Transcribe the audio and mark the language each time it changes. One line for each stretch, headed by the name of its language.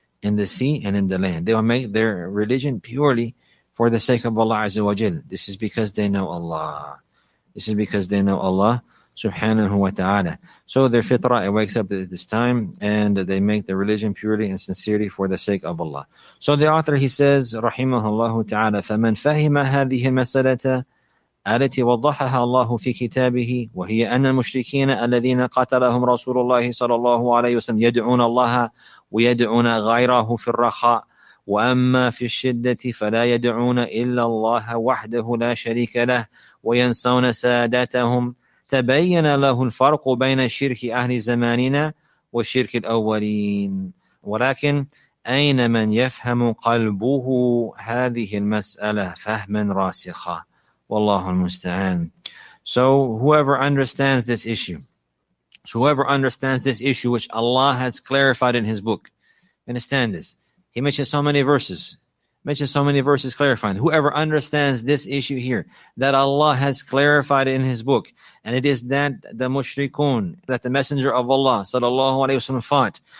English: In the sea and in the land. They will make their religion purely for the sake of Allah Azza wa Jal. This is because they know Allah. This is because they know Allah Subhanahu wa Ta'ala. So their fitrah, it wakes up at this time, and they make their religion purely and sincerely for the sake of Allah. So the author, he says, rahimahullahu ta'ala,
Arabic: فَمَنْ فَهِمَ هَذِهِ الْمَسَلَةَ أَلَتِي وَضَّحَهَا اللَّهُ فِي كِتَابِهِ وَهِيَ أَنَّ الْمُشْرِكِينَ الَّذِينَ قَتَلَهُمْ رَسُولُ اللَّهِ صَلَى اللَّهُ عَلَيْهِ وَسَلَّمَ يَدْعُونَ اللَّهَ وَيَدْعُونَ غَيْرَهُ فِي الرَّخَاءِ وأما في الشدة فلا يدعون إلا الله وحده لا شريك له وينسون سادتهم تبين له الفرق بين شرك أهل زماننا وشرك الأولين ولكن أين من يفهم قلبه هذه المسألة فهما راسخا والله المستعان.
English: So whoever understands this issue, so whoever understands this issue which Allah has clarified in His book, understand this. He mentions so many verses. Mentions so many verses clarifying. Whoever understands this issue here, that Allah has clarified in His book, and it is that the mushrikun, that the Messenger of Allah, sallallahu alayhi wasallam, fought.